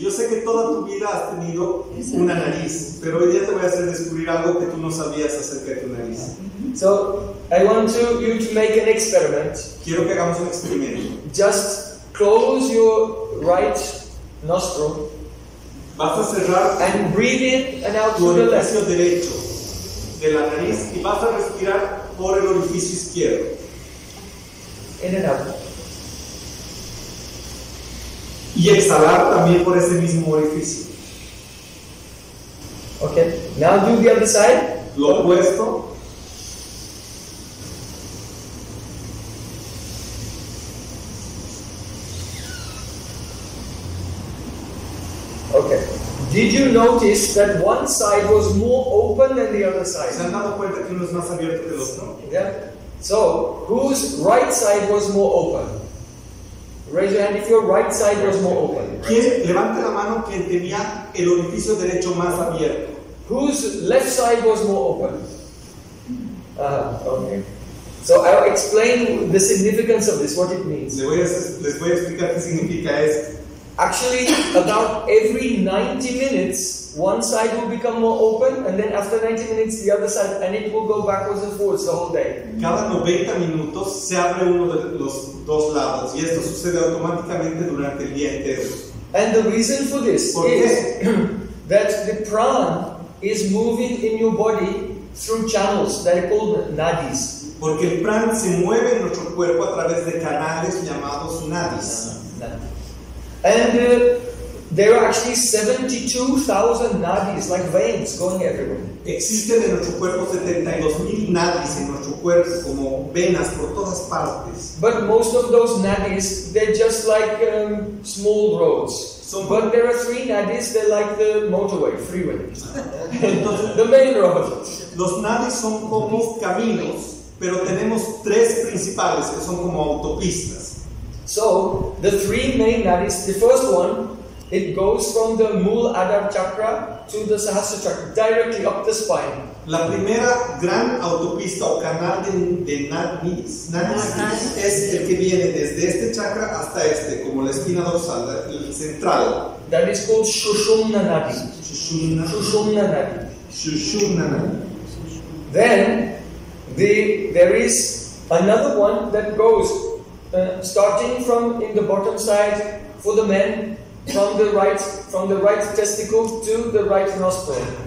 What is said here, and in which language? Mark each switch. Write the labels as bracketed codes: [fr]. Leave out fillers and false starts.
[es] Yo sé que toda tu vida has tenido una nariz, pero hoy día te voy a hacer descubrir algo que tú no sabías acerca de tu nariz. [en] So I want you to make an experiment. [es] Quiero que hagamos un experimento. [en] Just close your right nostril. [es] Vas a cerrar [en] and breathe in and out through the left. [es] Tu orificio derecho de la nariz y vas a respirar por el orificio izquierdo. [en] In and out. [es] Y exhalar también por ese mismo orificio. [en] Okay. Now do the other side. [es] Lo opuesto. [en] Okay. Did you notice that one side was more open than the other side? [es] ¿Se han dado cuenta que uno es más abierto que el otro? [en] Yeah. So, whose right side was more open? Raise your hand if your right side was more open. [es] ¿Quién levante la mano quien tenía el orificio derecho más abierto? [en] Whose left side was more open? Okay. So I'll explain the significance of this, what it means. [es] Les voy a explicar qué significa esto. [en] Actually, about every 90 minutes, one side will become more open, and then after 90 minutes, the other side, and it will go backwards and forwards the whole day. [es] Cada 90 minutos se abre uno de los dos lados, y esto sucede automáticamente durante el día entero. [en] And the reason for this is that the prana is moving in your body through channels that are called nadis. [es] Porque el pran se mueve en nuestro cuerpo a través de canales llamados nadis. [en] And there are actually 72,000 nadis, like veins, going everywhere. [es] Existen en nuestro cuerpo 72,000 nadis en nuestro cuerpo, como venas por todas partes. [en] But most of those nadis, they're just like small roads. But there are three nadis, they're like the motorway, freeway. The main road. [es] Los nadis son como caminos, pero tenemos tres principales que son como autopistas. [en] So, the three main nadis, the first one, it goes from the Mool Adar Chakra to the Sahasra Chakra, directly up the spine. [es] La primera gran autopista o canal de nadis, es el que viene desde este chakra hasta este, como la espina dorsal, el central. [en] That is called Shushumna Nadi. Shushumna Nadi. Shushumna Nadi. Then, there is another one that goes, starting from in the bottom side for the men, from the right testicle to the right nostril.